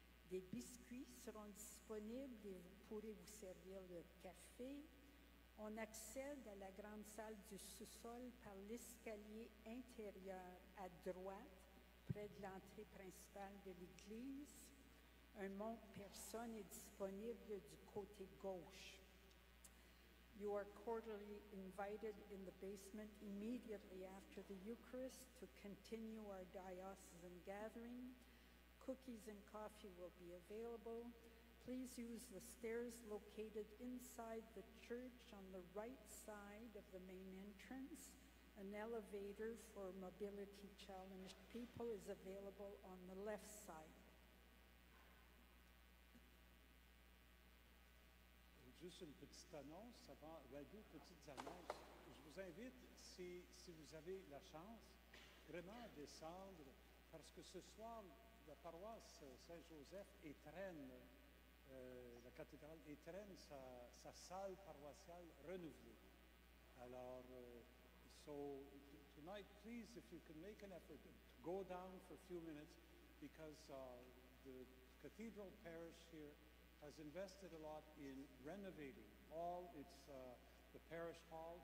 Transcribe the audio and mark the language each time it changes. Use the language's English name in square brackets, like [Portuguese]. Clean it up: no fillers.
[French] Des biscuits seront disponibles et vous pourrez vous servir le café. On accède à la grande salle du sous-sol par l'escalier intérieur à droite, près de l'entrée principale de l'église. Un monte-personne est disponible du côté gauche. [English] You are cordially invited in the basement immediately after the Eucharist to continue our diocesan gathering. Cookies and coffee will be available. Please use the stairs located inside the church on the right side of the main entrance. An elevator for mobility-challenged people is available on the left side. [French] Juste une petite annonce, avant, ben deux petites annonces. Je vous invite, si vous avez la chance, vraiment à descendre, parce que ce soir, la paroisse Saint-Joseph étrenne, la cathédrale étrenne sa salle paroissiale renouvelée. [English] Alors, tonight, please, if you can make an effort to go down for a few minutes, because the cathedral parish here has invested a lot in renovating all its the parish hall.